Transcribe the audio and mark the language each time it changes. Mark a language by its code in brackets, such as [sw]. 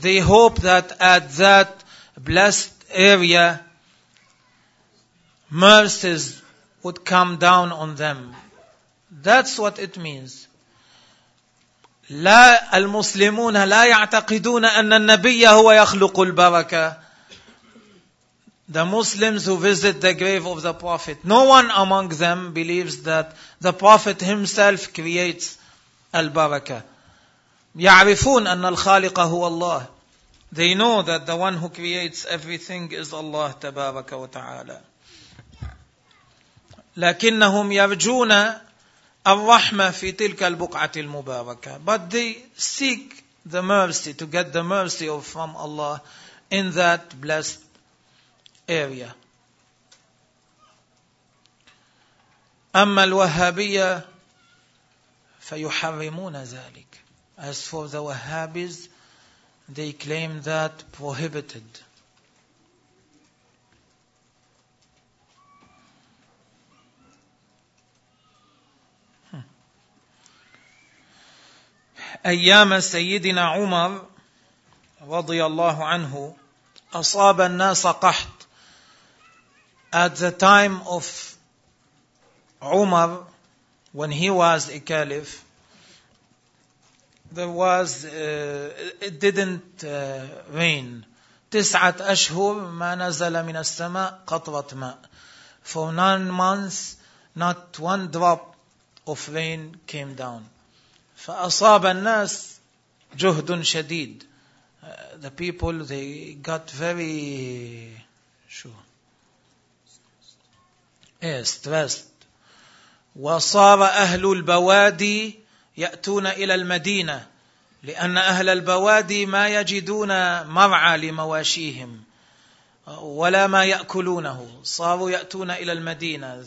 [en] They hope that at that blessed area, mercies would come down on them. That's what it means. [ar] لا المسلمون لا يعتقدون أن النبي هو يخلق البركة. [en] The Muslims who visit the grave of the Prophet, no one among them believes that the Prophet himself creates البركة. [ar] يعرفون أن الخالق هو الله. [en] They know that the one who creates everything is Allah [ar] تبارك وتعالى. لكنهم يرجون الرحمة في تلك البقعة المباركة. [en] But they seek the mercy, to get the mercy from Allah in that blessed area. [ar] أما الوهابية فيحرمون ذلك. [en] As for the Wahhabis, they claim that prohibited. [ar] أيام سيدنا عمر رضي الله عنه أصاب الناس قحط. [en] At the time of عمر, when he was a caliph, it didn't rain. [ar] تسعة أشهر ما نزل من السماء قطرة ماء. [en] For 9 months, not one drop of rain came down. [ar] فأصاب الناس جهد شديد. [en] the people, they got very sure. Stressed. [ar] وصار أهل البوادي يأتون إلى المدينة لأن أهل البوادي ما يجدون مرعى لمواشيهم ولا ما يأكلونه صاروا يأتون إلى المدينة.